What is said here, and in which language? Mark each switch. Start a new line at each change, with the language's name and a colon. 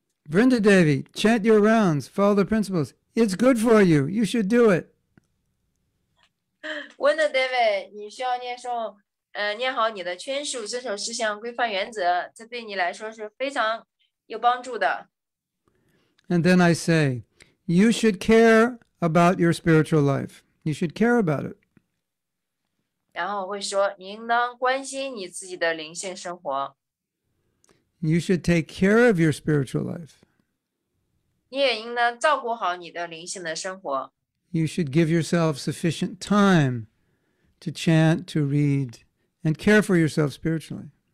English: Vrinda Devi, chant your rounds, follow the principles. It's good for you. You should do it.
Chinese: Vrinda Devi, 你需要念诵。念好你的圈数，遵守事项规范原则，这对你来说是非常有帮助的。
English: And then I say, you should care about your spiritual life. You should care about it.
Chinese: 然后我会说，你应当关心你自己的灵性生活。
English: You should take care of your spiritual life.
Chinese: 你也应当照顾好你的灵性的生活。
English: You should give yourself sufficient time to chant, to read, and care for yourself spiritually.